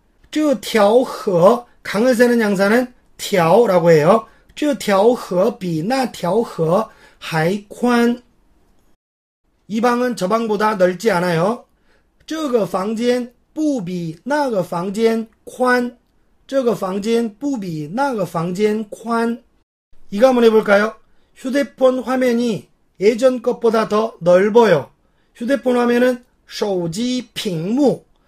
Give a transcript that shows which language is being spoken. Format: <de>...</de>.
<zh>这条河,</zh> <ko>강을 세는 양사는 条라고 해요.</ko> <zh>这条河比那条河还宽.</zh> <ko>이 방은 저 방보다 넓지 않아요.</ko> <zh>这个房间不比那个房间宽. 这个房间不比那个房间宽.</zh> <ko>이 가문 해볼까요? 휴대폰 화면이 예전 것보다 더 넓어요. 휴대폰 화면은 手机屏幕.</ko>